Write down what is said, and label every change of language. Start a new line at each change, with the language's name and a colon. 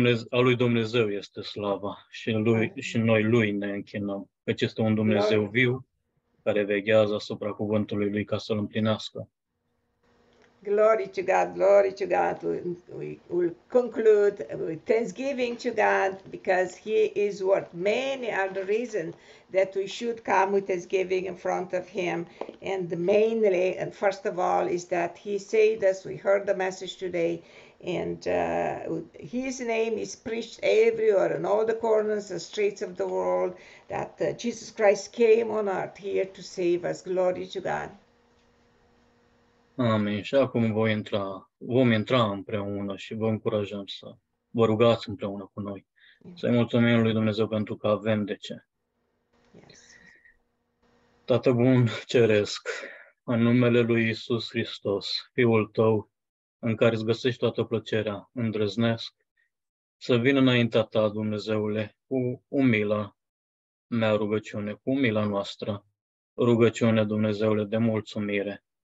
Romanian: A Lui Dumnezeu este slava și Lui, și noi Lui ne închinăm, căci este un Dumnezeu viu care veghează asupra cuvântului Lui ca să-L împlinească.
English: Glory to God, we will conclude with thanksgiving to God because He is worth. Many are the reasons that we should come with thanksgiving in front of Him. And mainly, and first of all, is that He saved us. We heard the message today, and His name is preached everywhere in all the corners and streets of the world, that Jesus Christ came on earth here to save us. Glory to God.
Romanian: Amin. Și acum vom intra împreună și vă încurajăm să vă rugați împreună cu noi. Să-i mulțumim Lui Dumnezeu pentru că avem de ce.
English: Yes.
Romanian: Tată bun, ceresc, în numele Lui Iisus Hristos, Fiul Tău, în care îți găsești toată plăcerea, îndrăznesc să vin înaintea Ta, Dumnezeule, cu umila mea rugăciune, cu umila noastră rugăciune, Dumnezeule, de mulțumire.